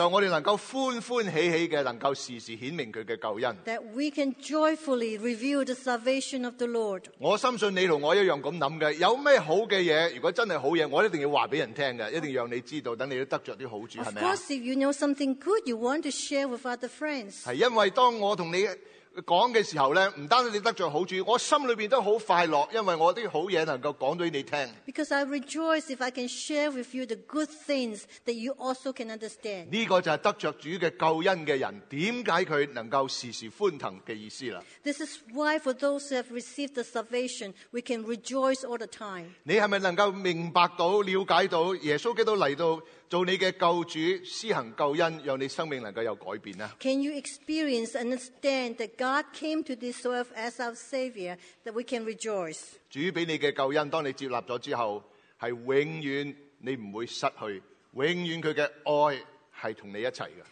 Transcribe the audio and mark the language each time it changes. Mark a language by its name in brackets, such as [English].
[Cantonese] 就我哋能够欢欢喜喜嘅，能够时时显明佢嘅救恩。 [English] That we can joyfully reveal the salvation of the Lord. [Cantonese] 我深信你同我一样咁谂嘅，有咩好嘅嘢？如果真系好嘢，我一定要话俾人听嘅，一定让你知道，等你都得着啲好处，系咪啊？ [English] Of course, if you know something good, you want to share with other friends. [Cantonese] 系因为当我同你讲嘅时候咧，唔单止你得着好处，我心里边都好快乐，因为我啲好嘢能够讲到你听。 [English] Because I rejoice if I can share with you the good things that you also can understand。 [Cantonese] 呢个就系得着主嘅救恩嘅人，点解佢能够时时欢腾嘅意思啦。 [English] This is why for those who have received the salvation, we can rejoice all the time。 [Cantonese] 你系咪能够明白到、了解到耶稣基督嚟到？做你嘅救主，施行救恩，让你生命能够有改变啊。 [English] Can you experience, understand that God came to this earth as our Savior, that we can rejoice? [Cantonese] 主俾你嘅救恩，当你接纳咗之后，系永远你唔会失去，永远佢嘅爱系同你一齐嘅。